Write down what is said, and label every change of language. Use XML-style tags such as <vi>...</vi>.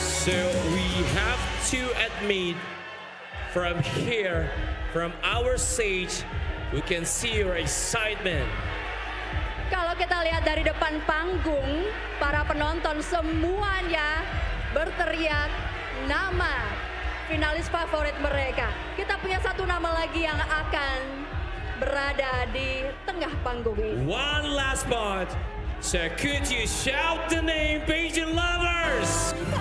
<en>So we have to admit from here, from our stage, we can see your excitement.</en> <id>Kalau kita lihat dari depan panggung, para penonton semuanya berteriak nama finalis favorit mereka. Kita punya satu nama lagi yang akan berada di tengah panggung ini.</id> <en>One last spot. So could you shout the name, Beijing Lovers?</en>